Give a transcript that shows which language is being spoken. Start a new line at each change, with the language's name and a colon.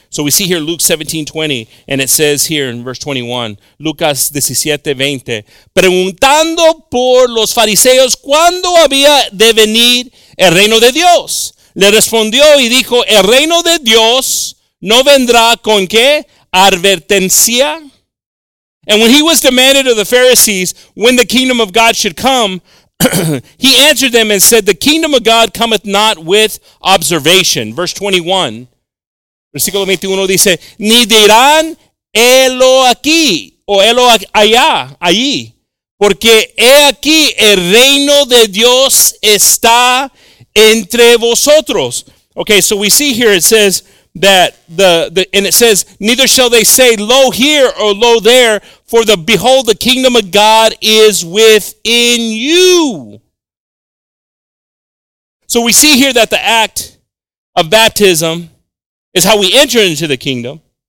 English: So we see here Luke 17:20, and it says here in verse 21,
Spanish: Lucas 17:20, preguntando por los fariseos cuándo había de venir el reino de Dios. Le respondió y dijo, el reino de Dios no vendrá con qué? Advertencia.
English: And when he was demanded of the Pharisees when the kingdom of God should come, he answered them and said, the kingdom of God cometh not with observation. Verse 21.
Spanish: Versículo 21 dice, ni dirán, helo aquí, o helo allá, allí, porque he aquí, el reino de Dios está entre vosotros.
English: Okay, so we see here, it says that, and it says, neither shall they say, lo here, or lo there, for the behold, the kingdom of God is within you. So we see here that the act of baptism is how we enter into the kingdom.